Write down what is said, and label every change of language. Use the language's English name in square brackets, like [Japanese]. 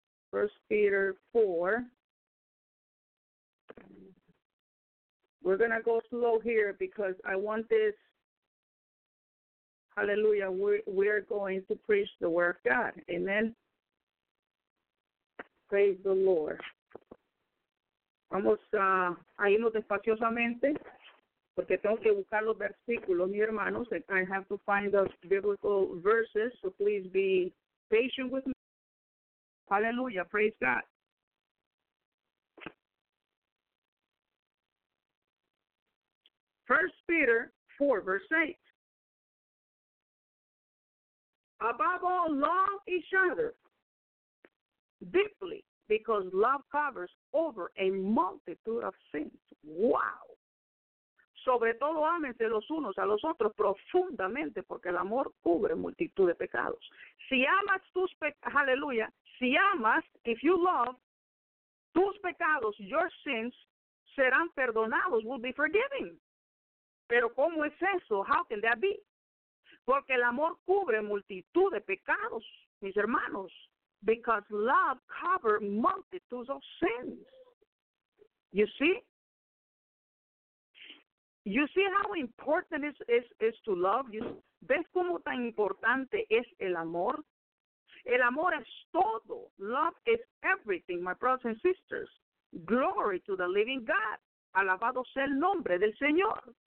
[English] 1 Peter 4. We're going to go slow here because I want this. Hallelujah. We're going to preach the word of God. Amen. Praise the Lord. [Spanish] Vamos a irnos despaciosamente porque tengo que buscar los versículos, mis hermanos. [English] I have to find the biblical verses, so please be patient with me. Hallelujah. Praise God. First Peter 4, verse 8. Above all, love each other deeply, because love covers over a multitude of sins. Wow. [Spanish] Sobre todo, ámense los unos a los otros profundamente, porque el amor cubre multitud de pecados. Si amas tus pecados, hallelujah, si amas, [English] if you love, [Spanish] tus pecados, [English] your sins, [Spanish] serán perdonados, [English] will be forgiven. [Spanish] Pero, ¿cómo es eso? [English] How can that be? [Spanish] Porque el amor cubre multitud de pecados, mis hermanos. [English] Because love covers multitudes of sins. You see? You see how important it is to love? You see? [Spanish] ¿Ves cómo tan importante es el amor? El amor es todo. [English] Love is everything, my brothers and sisters. Glory to the living God. [Spanish] Alabado sea el nombre del Señor.